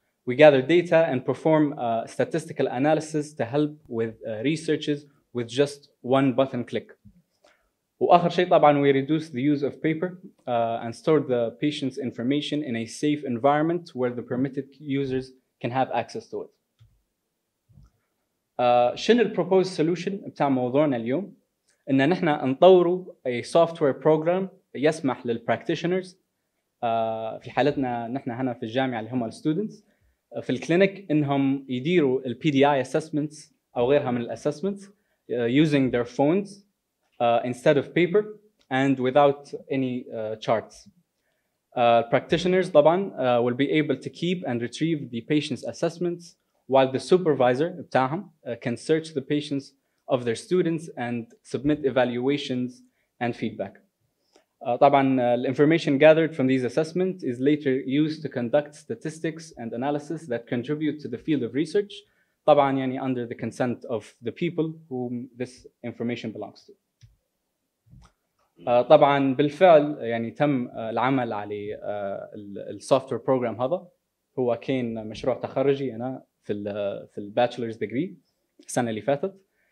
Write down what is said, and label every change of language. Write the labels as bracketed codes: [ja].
[en] We gather data and perform statistical analysis to help with researches with just one button click. [ar] وآخر شيء طبعاً [en] we reduce the use of paper and store the patient's information in a safe environment where the permitted users can have access to it. [ar] شنو الـ [en] proposed solution [ar] بتاع موضوعنا اليوم؟ إن نحن نطوروا [en] a software program [ar] يسمح للـ practitioners في حالتنا نحن هنا في الجامعة اللي هم الـ students في الكلينيك انهم يديروا الـ PDI assessments او غيرها من الـ assessments [en] using their phones instead of paper and without any charts. Practitioners طبعا will be able to keep and retrieve the patient's assessments while the supervisor بتاعهم can search the patients of their students and submit evaluations and feedback. طبعا the information gathered from these assessments is later used to conduct statistics and analysis that contribute to the field of research, [ar] طبعا يعني [en] under the consent of the people whom this information belongs to. [ar] طبعا بالفعل يعني تم العمل على software program هذا, هو كان مشروع تخرجي انا في bachelor's degree السنه اللي فاتت.